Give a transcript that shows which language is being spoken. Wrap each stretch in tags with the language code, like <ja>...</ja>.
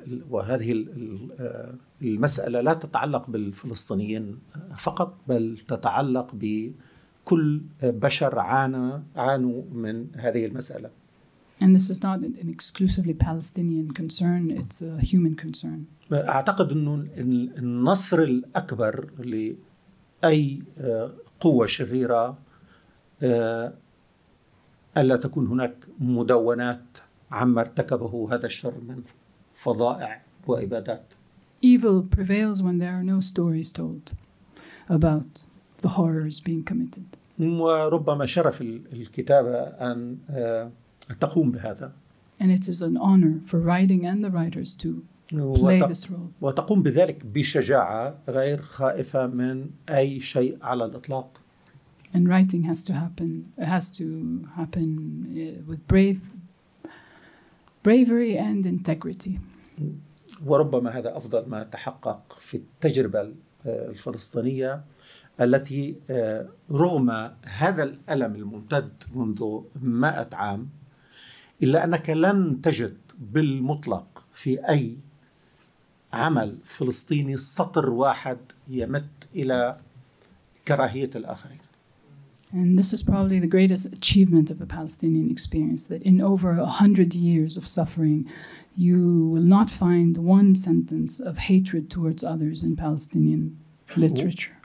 <ar>وهذه المسألة لا تتعلق بالفلسطينيين فقط بل تتعلق بكل بشر عانوا من هذه المسألة.</ar> <en>And this is not an exclusively Palestinian concern, it's a human concern.</en> <ar>أعتقد أن النصر الأكبر لأي قوة شريرة ألا تكون هناك مدونات عما ارتكبه هذا الشر من فضائع وإبادات.</ar> <en>Evil prevails when there are no stories told about the horrors being committed.</en> <ar>وربما شرف الكتابة أن تقوم بهذا.</ar> <en>And it is an honor for writing and the writers to play this role.</en> <ar>وتقوم بذلك بشجاعة غير خائفة من أي شيء على الإطلاق.</ar> <en>And writing has to happen. It has to happen with bravery and integrity.</en> <ar>وربما هذا أفضل ما تحقق في التجربة الفلسطينية التي رغم هذا الألم الممتد منذ 100 عام إلا أنك لم تجد بالمطلق في أي عمل فلسطيني سطر واحد يمت إلى كراهية الآخرين.</ar> <en>And this is probably the greatest achievement of a Palestinian experience, that in over 100 years of suffering, you will not find one sentence of hatred towards others in Palestinian literature.</en>